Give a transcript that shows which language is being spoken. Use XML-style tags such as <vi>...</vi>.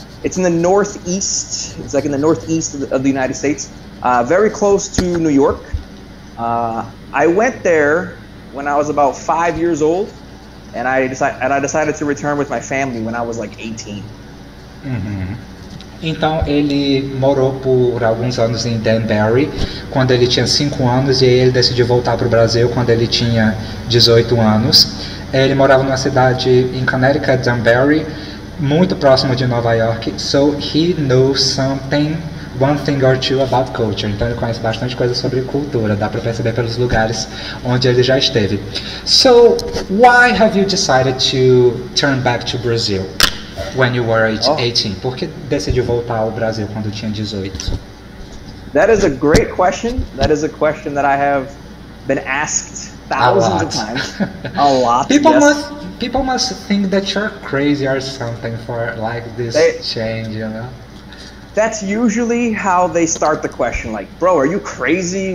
<en>It's in the northeast. It's like in the northeast of the United States, very close to New York. I went there when I was about 5 years old, and I decided to return with my family when I was like 18. Uhum.</en> <pt>Então ele morou por alguns anos em Danbury quando ele tinha 5 anos, e aí ele decidiu voltar para o Brasil quando ele tinha 18 anos. Ele morava numa cidade em Connecticut, Danbury, muito próximo de Nova York.</pt> <en>So he knows something, one thing or two about culture.</en> <pt>Então ele conhece bastante coisa sobre cultura, dá para perceber pelos lugares onde ele já esteve.</pt> <en>So, why have you decided to turn back to Brazil when you were 18?</en> <pt>Por que decidiu voltar ao Brasil quando tinha 18?</pt> <en>That is a great question. That is a question that I have been asked thousands of times. A lot. People must think that you're crazy or something for like this change, you know? That's usually how they start the question, like, bro, are you crazy?</en>